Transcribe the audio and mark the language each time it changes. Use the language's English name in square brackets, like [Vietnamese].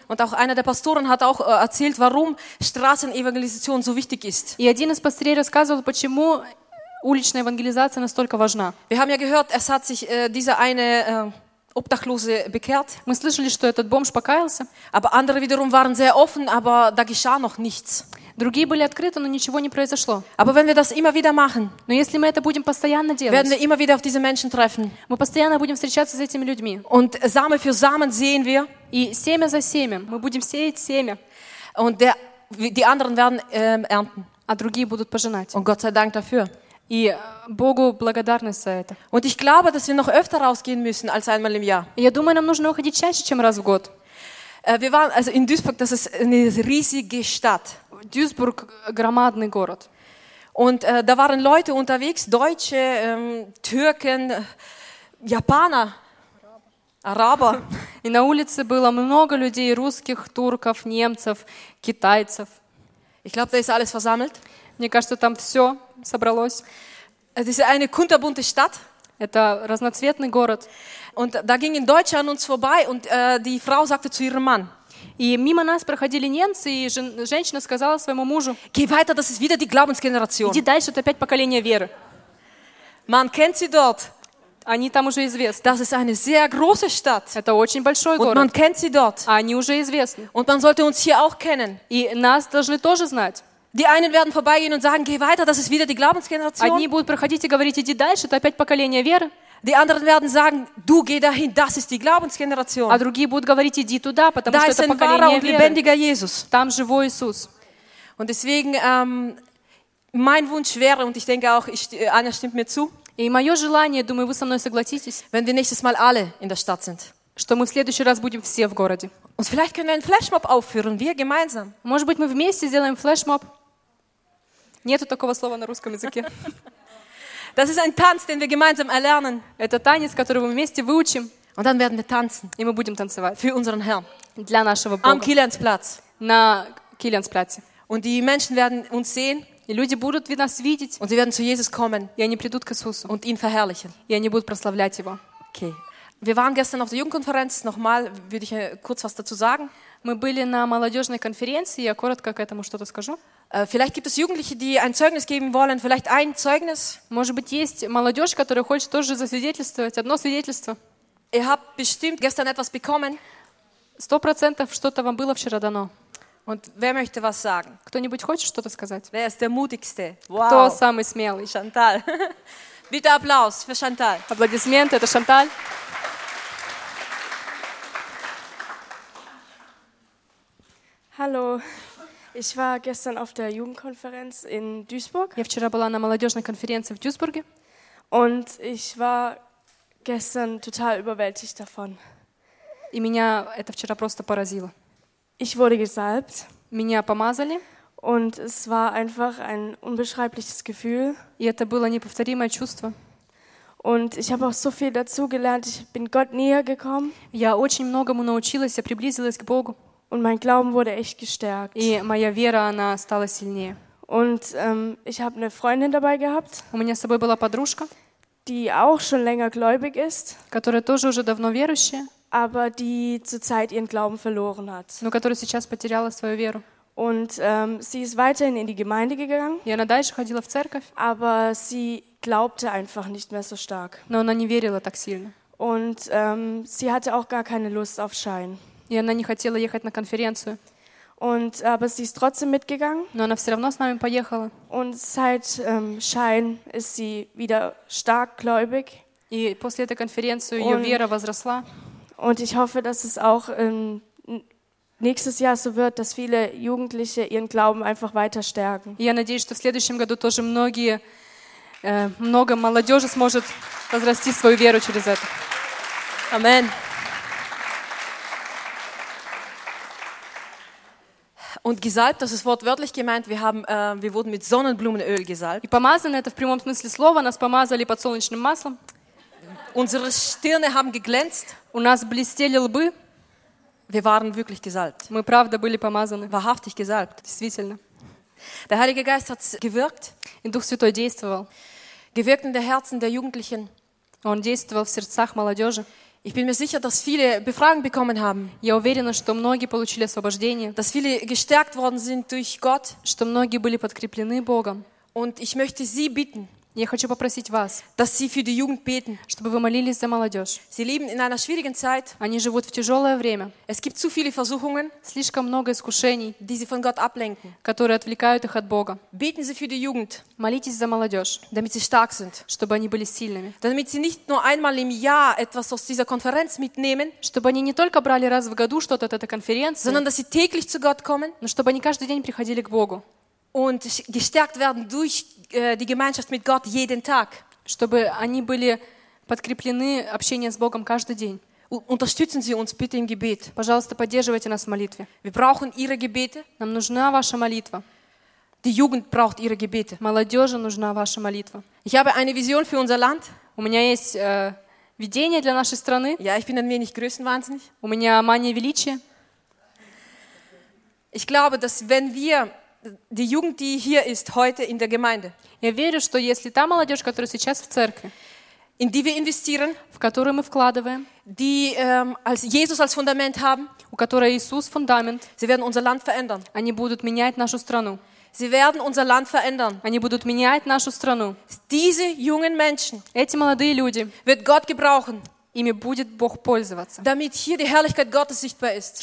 [German] Und auch einer der Pastoren hat auch erzählt, warum Straßenevangelisation so wichtig ist. [Russian] И один из пастырей рассказывал, почему уличная евангелизация настолько важна. [German] Wir haben ja gehört, es hat sich dieser eine Obdachlose bekehrt. [Russian] Мы слышали, что этот бомж покаялся. [German] Aber andere wiederum waren sehr offen, aber da geschah noch nichts. [Russian] Другие были открыты, но ничего не произошло. [German] Aber wenn wir das immer wieder machen, [Russian] но если мы это будем постоянно делать, [German] werden wir immer wieder auf diese Menschen treffen. [Russian] Мы постоянно будем встречаться с этими людьми. [German] Und Samen für Samen sehen wir. [Russian] И семя за семя. Мы будем сеять семя. [German] Und die anderen werden ernten. [Russian] А другие будут пожинать. [German] Und Gott sei Dank dafür. [Russian] И Богу благодарность за это. [German] Und ich glaube, dass wir noch öfter rausgehen müssen als einmal im Jahr. [Russian] Я думаю, нам нужно выходить чаще, чем раз в год. [German] Wir waren also in Duisburg, das ist eine riesige Stadt. [Russian] Duisburg громадный город. [German] Und da waren Leute unterwegs, Deutsche, Türken, Japaner, Araber. [Russian] И на улице было много людей: русских, турков, немцев, китайцев. [German] Ich glaube, da ist alles versammelt. [Russian] Мне кажется, там все собралось. Это [German] eine kunterbunte Stadt. [Russian] Это разноцветный город. [German] Und da gingen Deutsche an uns vorbei und die Frau sagte zu ihrem Mann. [Russian] И мимо нас проходили немцы, и женщина сказала своему мужу: [German] Geh weiter, das ist wieder die Glaubensgeneration. [Russian] Иди дальше, это опять поколение веры. [German] Man kennt sie dort. [Russian] Они там уже известны. [German] Das ist eine sehr große Stadt. [Russian] Это очень большой город. [German] Und man kennt sie dort. [Russian] Они уже известны. [German] Und man sollte uns hier auch kennen. [Russian] И нас должны тоже знать. [German] Die einen werden vorbeigehen und sagen, geh weiter, das ist wieder die Glaubensgeneration. [Russian] Одни будут проходить и говорить, иди дальше, это опять поколение веры. [German] Die anderen werden sagen, du geh dahin, das ist die Glaubensgeneration. [Russian] А другие будут говорить, иди туда, потому [German] da [Russian] что это поколение веры. [German] Da ist ein wahrer und lebendiger Jesus. [Russian] Там живой Иисус. [German] Und deswegen, mein Wunsch wäre, und ich denke auch, Anna stimmt mir zu. [Russian] И мое желание, думаю, вы со мной согласитесь. [German] Wenn wir nächstes Mal alle in der Stadt sind. [Russian] Что мы в следующий раз будем все в городе. [German] Und vielleicht können wir einen Flashmob aufführen, wir gemeinsam. [Russian] Может быть, мы вместе сделаем флешмоб. Нету такого слова на русском языке. [German] Das ist ein Tanz, den wir gemeinsam erlernen. [Russian] Это танец, который мы вместе выучим. [German] Und dann werden wir tanzen. [Russian] И мы будем танцевать. [German] Für unseren Herrn. [Russian] Для нашего Бога. [German] Am Kilianzplatz. [Russian] На Kilianzplatz. [German] Und die Menschen werden uns sehen. [Russian] И люди будут нас видеть. [German] Und sie werden zu Jesus kommen. [Russian] И они придут к Иисусу. [German] Und ihn verherrlichen. [Russian] И они будут прославлять его. Okay. [German] Wir waren gestern auf der Jugendkonferenz. Nochmal würde ich kurz was dazu sagen. [Russian] Мы были на молодежной конференции, я коротко к этому что-то скажу. [German] Vielleicht gibt es Jugendliche, die ein Zeugnis geben wollen, vielleicht ein Zeugnis. [Russian] Может быть, есть молодежь, которая хочет тоже засвидетельствовать, одно свидетельство. [German] Ihr habt bestimmt gestern etwas bekommen. [Russian] 100% что-то вам было вчера дано. [German] Und wer möchte was sagen? [Russian] Кто-нибудь хочет что-то сказать? [German] Wer ist der Mutigste? [Russian] Wow. Кто самый смелый? [German] Chantal. Bitte Applaus für Chantal. [Russian] Аплодисменты, это Chantal. [German] Hallo, ich war gestern auf der Jugendkonferenz in Duisburg. [Russian] Я вчера была на молодежной конференции в Дюйсбурге. [German] Und ich war gestern total überwältigt davon. [Russian] И меня это вчера просто поразило. [German] Ich wurde gesalbt. [Russian] Меня помазали. [German] Und es war einfach ein unbeschreibliches Gefühl. [Russian] И это было неповторимое чувство. [German] Und ich habe auch so viel dazugelernt. Ich bin Gott näher gekommen. [Russian] Я очень многому научилась, я приблизилась к Богу. [German] Und mein Glauben wurde echt gestärkt. [Russian] И моя вера, она стала сильнее. [German] Und ich habe eine Freundin dabei gehabt. [Russian] У меня с собой была подружка. [German] Die auch schon länger gläubig ist. [Russian] Которая тоже уже давно верующая. [German] Aber die zurzeit ihren Glauben verloren hat. [Russian] Но которая сейчас потеряла свою веру. [German] Und sie ist weiterhin in die Gemeinde gegangen. [Russian] И она дальше ходила в церковь. [German] Aber sie glaubte einfach nicht mehr so stark. [Russian] Но она не верила так сильно. [German] Und sie hatte auch gar keine Lust auf Schein. [Russian] И она не хотела ехать на конференцию. [German] Und aber sie ist trotzdem mitgegangen. [Russian] Но она все равно с нами поехала. [German] Und seit Schein ist sie wieder stark gläubig. [Russian] И после этой конференции ее вера возросла. [German] Und ich hoffe, dass es auch nächstes Jahr so wird, dass viele Jugendliche ihren Glauben einfach weiter stärken. [Russian] Я надеюсь, что в следующем году тоже многие много молодежи сможет возрасти свою веру через это. [German] Amen. Und gesalbt, das ist wortwörtlich gemeint, wir wurden mit Sonnenblumenöl gesalbt. [Russian] И помазаны, это в прямом смысле слова, нас помазали подсолнечным маслом. [German] Unsere Stirne haben geglänzt. [Russian] У нас блестели лбы. [German] Wir waren wirklich gesalbt. [Russian] Мы правда были помазаны. [German] Wahrhaftig gesalbt. [Russian] Действительно. [German] Der Heilige Geist hat gewirkt. [Russian] И Дух Святой действовал. [German] Gewirkt in der Herzen der Jugendlichen. [Russian] Он действовал в сердцах молодежи. [German] Ich bin mir sicher, dass viele Befreiung bekommen haben. [Russian] Я уверена, что многие получили освобождение. [German] Dass viele gestärkt worden sind durch Gott. [Russian] Что многие были подкреплены Богом. [German] Und ich möchte Sie bitten. [Russian] Я хочу попросить вас, [German] dass Sie für die Jugend beten. [Russian] Чтобы вы молились за молодежь. [German] Sie leben in einer schwierigen Zeit. [Russian] Они живут в тяжелое время. [German] Es gibt zu viele Versuchungen. [Russian] Слишком много искушений. [German] Die Sie von Gott ablenken. [Russian] Которые отвлекают их от Бога. [German] Beten Sie für die Jugend. [Russian] Молитесь за молодежь. [German] Damit Sie stark sind. [Russian] Чтобы они были сильными. [German] Damit Sie nicht nur einmal im Jahr etwas aus dieser Konferenz mitnehmen. [Russian] Чтобы они не только брали раз в году что-то от этой конференции. [German] Sondern dass Sie täglich zu Gott kommen. [Russian] Но чтобы они каждый день приходили к Богу. [German] Und gestärkt werden durch die Gemeinschaft mit Gott jeden Tag. [Russian] Чтобы они были подкреплены общением с Богом каждый день. [German] Unterstützen Sie uns bitte im Gebet. [Russian] Пожалуйста, поддерживайте нас в молитве. [German] Wir brauchen Ihre Gebete. [Russian] Нам нужна ваша молитва. [German] Die Jugend braucht Ihre Gebete. [Russian] Молодежи нужна ваша молитва. [German] Ich habe eine Vision für unser Land. [Russian] У меня есть видение для нашей страны. [German] Ja, ich bin ein wenig größenwahnsinnig. [Russian] У меня мания величия. [German] Ich glaube, dass wenn wir die Jugend, die hier ist, heute in der Gemeinde. [Russian] Я верю, что если та молодежь, которая сейчас в церкви, [German] in die wir investieren, [Russian] в которую мы вкладываем, [German] die als Jesus als Fundament haben, [Russian] у которой Иисус фундамент, [German] sie werden unser Land verändern. [Russian] Они будут менять нашу страну. [German] Sie werden unser Land verändern. [Russian] Они будут менять нашу страну. [German] Diese jungen Menschen, [Russian] эти молодые люди, [German] wird Gott gebrauchen. [Russian] Ими будет Бог пользоваться. [German] Damit hier die Herrlichkeit Gottes sichtbar ist.